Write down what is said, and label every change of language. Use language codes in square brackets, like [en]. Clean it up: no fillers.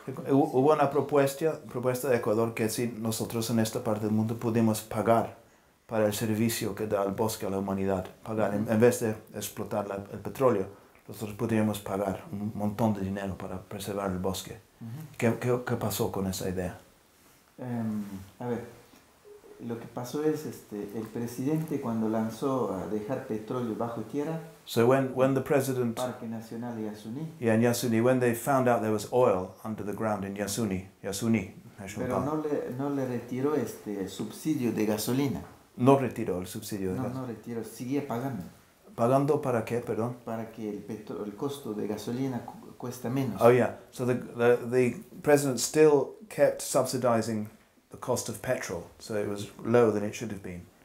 [es] Hubo una propuesta de Ecuador que si nosotros en esta parte del mundo pudimos pagar para el servicio que da el bosque a la humanidad, pagar en vez de explotar el petróleo, nosotros pudimos pagar un montón de dinero para preservar el bosque. Uh-huh. ¿Qué pasó con esa idea? A ver, lo que pasó es el presidente cuando lanzó a dejar petróleo bajo tierra. [en] So when the president [es] Parque Nacional de Yasuni. [en] Yeah, in Yasuni, when they found out there was oil under the ground in Yasuni National [es] Park. Pero no le retiró subsidio de gasolina. No retiró el subsidio de gasolina. No retiró, seguía pagando. ¿Pagando para qué, perdón? Para que el costo de gasolina cuesta menos. [en] Oh yeah, so the president still kept subsidizing the cost of petrol, so it was lower than it should have been.